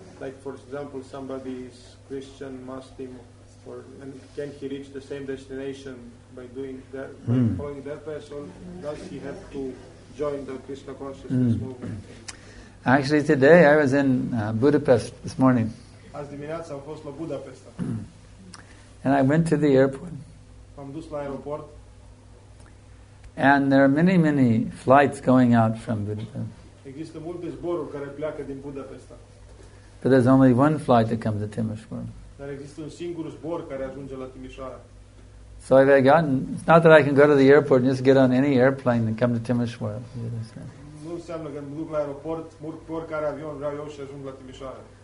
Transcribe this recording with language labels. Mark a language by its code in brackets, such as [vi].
[en] Like, for example, somebody is Christian, Muslim, and can he reach the same destination by doing that, by following that path, or does he have to join the Krishna consciousness movement? Actually, today I was in Budapest this morning. [ro] Azi dimineața am fost la Budapest. [en] And I went to the airport. [ro] Am dus la aeroport. [en] And there are many, many flights going out from Budapest. [ro] Există multe zboruri care pleacă din Budapesta. [en] But there's only one flight that comes to Timișoara. [ro] Dar există un singur zbor care ajunge la Timișoara. [en] So I've gotten, it's not that I can go to the airport and just get on any airplane and come to Timișoara. [ro] Nu înseamnă că mă duc la aeroport, urc pe oricare avion, vreau eu și ajung la Timișoara.